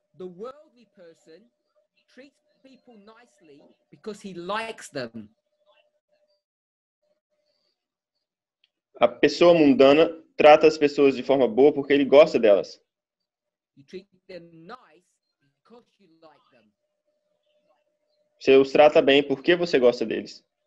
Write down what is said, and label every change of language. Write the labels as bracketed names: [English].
[English] The worldly person treats people nicely because he likes them. [Portuguese] A pessoa mundana trata as pessoas de forma boa porque ele gosta delas. [English] You treat them nice because you like them. [Portuguese] Você os trata bem porque você gosta deles.